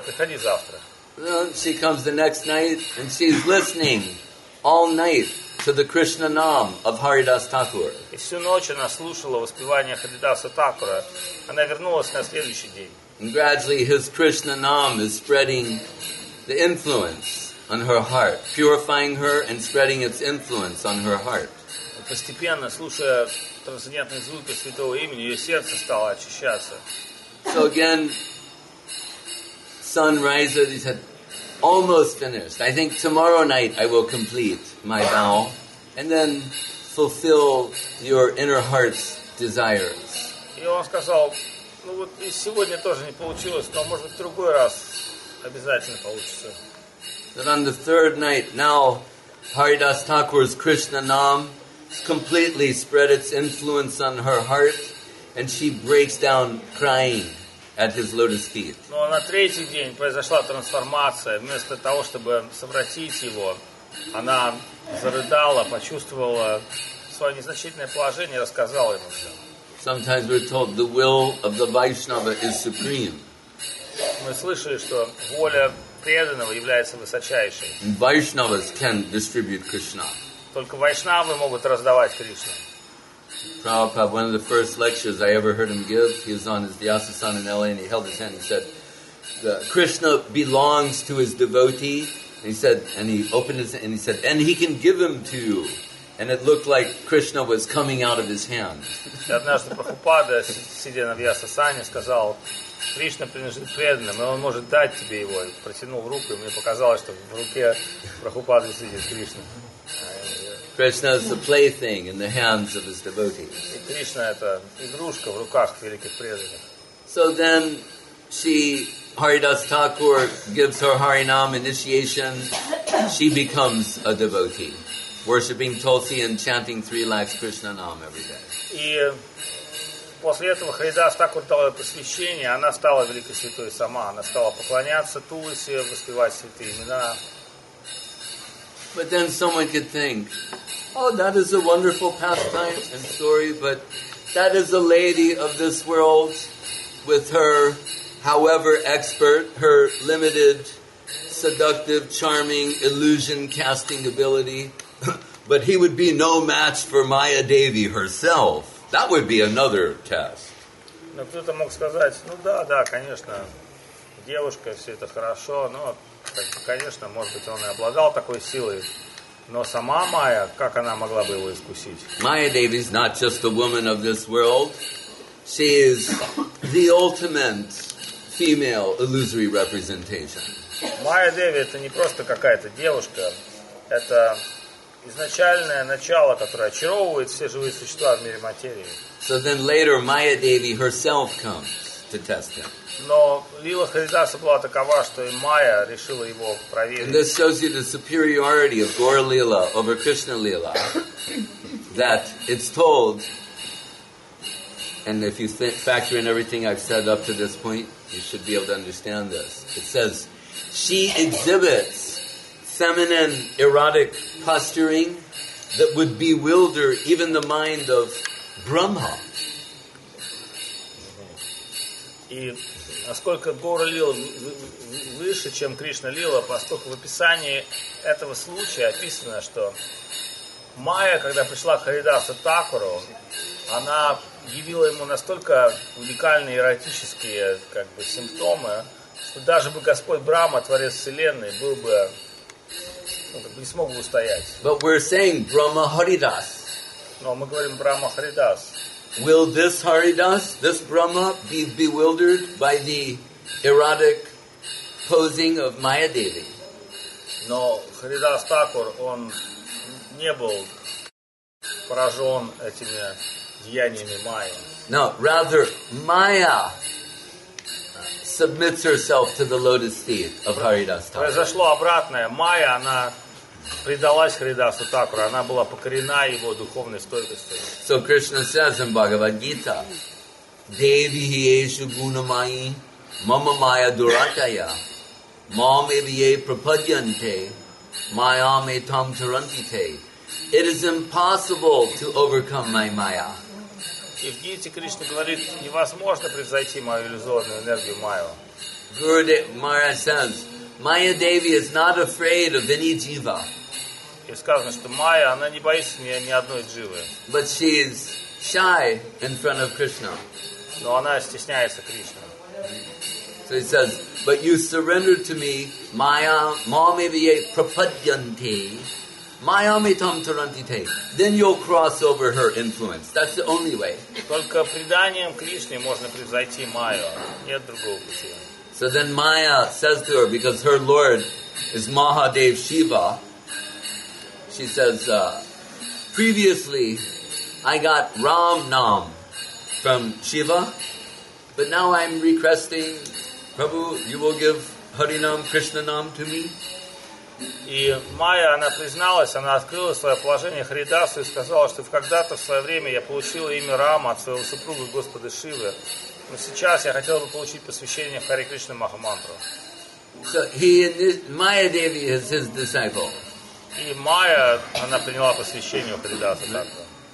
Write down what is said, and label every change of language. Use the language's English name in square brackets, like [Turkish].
[Russian] Приходи завтра. [English] Well, she comes the next night and she's listening all night to the Krishna Nam of Haridas Thakur. [Russian] И всю ночь она слушала воспевание Харидаса Такура. Она вернулась на следующий день. [English] And gradually his Krishna Nam is spreading the influence on her heart, purifying her and spreading its influence on her heart. [Russian] Постепенно, слушая трансцендентные звуки святого имени, ее сердце стало очищаться. [English] So again, sun rises, he said, almost finished. I think tomorrow night I will complete my vow and then fulfill your inner heart's desires. [Russian] И он сказал: ну вот и сегодня тоже не получилось, но может в другой раз обязательно получится. [English] But on the third night, now Haridas Thakur's Krishna Nam completely spread its influence on her heart and she breaks down crying at his lotus feet. [Russian] Но на третий день произошла трансформация. Вместо того, чтобы совратить его, она зарыдала, почувствовала свое незначительное положение и рассказала ему все. [English] Sometimes we're told the will of the Vaishnava is supreme. [Russian] Мы слышали, что воля преданного является высочайшей. [English] Vaishnavas can distribute Krishna. [Russian] Только вайшнавы могут раздавать Кришну. [English] Prabhupada, one of the first lectures I ever heard him give, he was on his Vyasasana in LA, and he held his hand and said, Krishna belongs to his devotee. And he said, and he opened his hand and he said, and he can give him to you. And it looked like Krishna was coming out of his hand. [Russian] Однажды Прабхупада, сидя на Вьясасане, сказал: Кришна принадлежит преданным, и он может дать тебе его. И протянул руку, и мне показалось, что в руке Прабхупады сидит Кришна. [English] Krishna is the plaything in the hands of his devotees. [Russian] И Кришна – это игрушка в руках великих преданных. [English] So then, she, Haridas Thakur, gives her Harinam initiation. She becomes a devotee, worshipping Tulsi and chanting 3 lakhs Krishna Nam every day. [Russian] И после этого Харидас Такур дала посвящение, она стала великой святой сама. Она стала поклоняться Тулсе, воспевать святые имена. [English] But then someone could think, oh, that is a wonderful pastime and story, but that is a lady of this world with her, however expert, her limited, seductive, charming, illusion-casting ability. But he would be no match for Maya Devi herself. That would be another test. [Russian] Но кто-то мог сказать, ну да, да, конечно, девушка, все это хорошо, но, так, конечно, может быть, он и обладал такой силой, но сама Майя, как она могла бы его искусить? [English] Maya Devi is not just a woman of this world. She is the ultimate female illusory representation. [Russian] Maya Devi это не просто какая-то девушка, это изначальное начало, которое очаровывает все живые существа в мире материи. [English] So then later Maya Devi herself comes to test him. [Russian] Но Лила Харидаса была такова, что и Майя решила его проверить. [English] And this shows you the superiority of Gaura Lila over Krishna Lila. That it's told, and if you factor in everything I've said up to this point, you should be able to understand this. It says, she exhibits feminine erotic posturing that would bewilder even the mind of Brahma. [Russian] И насколько Гора Лила выше, чем Кришна Лила, поскольку в описании этого случая описано, что Майя, когда пришла к Харидасу Такуру, она явила ему настолько уникальные эротические как бы симптомы, что даже бы Господь Брама, Творец Вселенной, был бы не смог бы устоять. [English] But we're saying Brahma Haridas. [Russian] Но мы говорим Брама Харидас. [English] Will this Haridas, this Brahma, be bewildered by the erotic posing of Maya Devi? [Russian] Но Харидас Такур, он не был поражен этими деяниями Майи. [English] No, rather Maya submits herself to the lotus feet of Haridas Takur. [Russian] Произошло обратное. Майя, она предалась Харидасу Такуру, она была покорена его духовной стойкостью. [English] So Krishna says in Bhagavad Gita, [Sanskrit] Devi hiyeshu gunamayi mama maya durataya mam eviye prapadyante mayam etam tarantite. [English] It is impossible to overcome my maya. [Russian] И в Гите Кришна говорит, невозможно превзойти мою иллюзорную энергию майю. [English] Gurudev Maharaj says, Maya Devi is not afraid of any jiva. [Russian] И сказано, что Майя, она не боится ни одной дживы. [English] But she is shy in front of Krishna. [Russian] Но она стесняется Кришны. [English] So he says, but you surrender to me, Maya, [Sanskrit] mam eviye prapadyante, mayam etam tarantite. [English] Then you'll cross over her influence. That's the only way. [Russian] Только преданием Кришне можно превзойти Майю. Нет другого пути. [English] So then Maya says to her, because her lord is Mahadev Shiva, she says, previously I got Ram Nam from Shiva, but now I'm requesting, Prabhu, you will give Harinam Krishna Nam to me? [Russian] И Майя, она призналась, она открыла свое положение Харидасу и сказала, что когда-то в свое время я получила имя Рама от своего супруга Господа Шивы, но сейчас я хотела бы получить посвящение Хари Кришна Махамантру. [English] So he, Maya Devi is his disciple. [Russian] И Майя, она приняла посвящение у Харидаса Такура.